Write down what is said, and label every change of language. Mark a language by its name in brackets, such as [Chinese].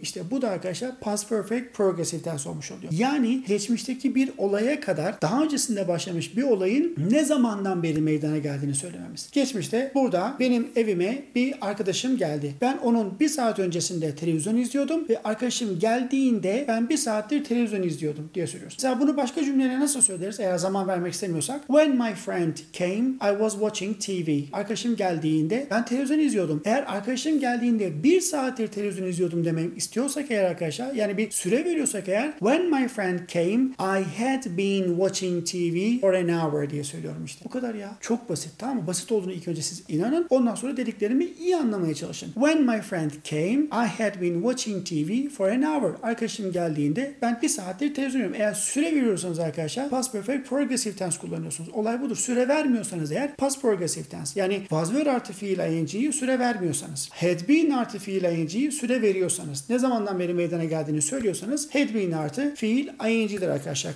[Turkish] İşte bu da arkadaşlar past perfect progressive tense olmuş oluyor. Yani geçmişteki bir olaya kadar daha öncesinde başlamış bir olayın ne zamandan beri meydana geldiğini söylememiz. Geçmişte burada benim evime bir arkadaşım geldi. Ben onun bir saat öncesinde televizyon izliyordum ve arkadaşım geldiğinde ben bir saattir televizyon izliyordum diye söylüyoruz. Mesela bunu başka cümlelere nasıl söyleriz eğer zaman vermek istemiyorsak? [English] When my friend came I was watching TV. [Turkish] Arkadaşım geldiğinde ben televizyon izliyordum. Eğer arkadaşım geldiğinde bir saattir televizyon izliyordum demem istiyorsak eğer arkadaşlar yani bir süre veriyorsak eğer [English] when my friend came I had been watching TV for an hour [Turkish] diye söylüyorum işte. Bu kadar ya. Çok basit tamam mı? Basit olduğunu ilk önce siz inanın. Ondan sonra dediklerimi iyi anlamaya çalışın. [English] When my friend came, I had been watching TV for an hour. [Turkish] Arkadaşım geldiğinde ben bir saattir televizyon izliyorum. Eğer süre veriyorsanız arkadaşlar past perfect progressive tense kullanıyorsunuz. Olay budur. Süre vermiyorsanız eğer past progressive tense. Yani was were artı fiil ing'yi süre vermiyorsanız. Had been artı fiil ing'yi süre veriyorsanız. Ne zamandan beri meydana geldiğini söylüyorsanız had been artı fiil ing'dir arkadaşlar.